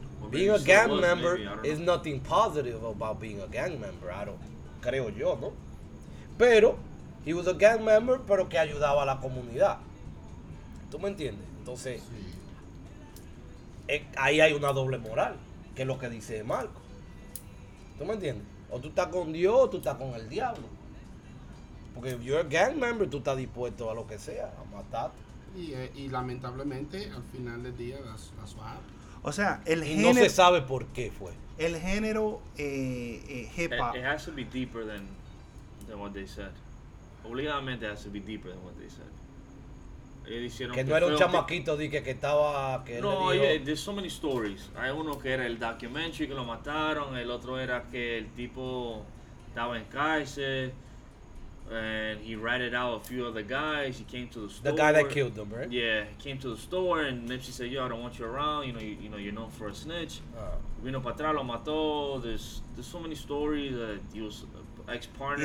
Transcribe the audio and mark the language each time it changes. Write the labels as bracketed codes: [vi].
[en] Being a gang member is nothing positive about being a gang member, I don't, [es] creo yo, ¿no? Pero, [en] he was a gang member, [es] pero que ayudaba a la comunidad. ¿Tú me entiendes? Entonces, ahí hay una doble moral, que es lo que dice Marco. ¿Tú me entiendes? O tú estás con Dios o tú estás con el diablo. Porque [en] if you're a gang member, [es] tú estás dispuesto a lo que sea, a matarte. Y lamentablemente, al final del día, las bajas. O sea, el y género. No se sabe por qué fue. El género hip hop. [en] It has to be deeper than what they said. Obligadamente, it has to be deeper than what they said. [es] Que no era un chamaquito, dije que estaba. Que no, dijo, [en] yeah, there's so many stories. [es] Hay uno que era el documentary que lo mataron. El otro era que el tipo estaba en cárcel. [en] And he ratted out a few other guys. He came to the store. The guy that killed them, right? Yeah, he came to the store, and Nipsey said, "Yo, I don't want you around. You know, you're known for a snitch." [es] Vino para atrás, lo mató. [en] There's so many stories that he was ex-partner